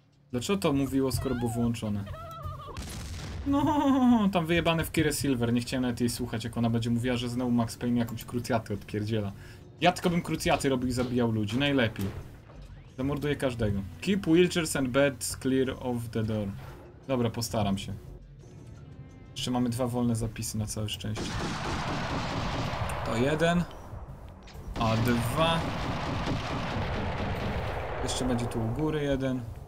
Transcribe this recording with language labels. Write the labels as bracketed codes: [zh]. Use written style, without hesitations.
[pl] Dlaczego to mówiło, skoro było wyłączone? No, tam wyjebane w Kirę Silver, nie chciałem nawet jej słuchać, jak ona będzie mówiła, że znowu Max Payne jakąś krucjatę odpierdziela. Ja tylko bym krucjaty robił i zabijał ludzi, najlepiej. Zamorduję każdego. [en] Keep wheelchairs and beds clear of the door. [pl] Dobra, postaram się. Jeszcze mamy dwa wolne zapisy na całe szczęście. To jeden. A dwa. Jeszcze będzie tu u góry jeden.